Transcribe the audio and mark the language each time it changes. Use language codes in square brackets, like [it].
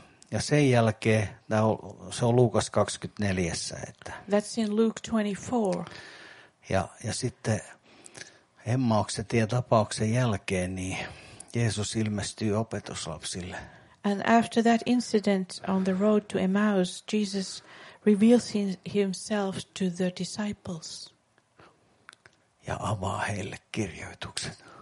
[fi] Ja sen jälkeen, se on Luukas 24, että. [en] That's in Luke 24. [fi] Ja sitten Emmauksen tien tapauksen jälkeen, niin Jeesus ilmestyy opetuslapsille. [en] And after that incident on the road to Emmaus, Jesus reveals himself to the disciples. [fi] Ja avaa heille kirjoitukset.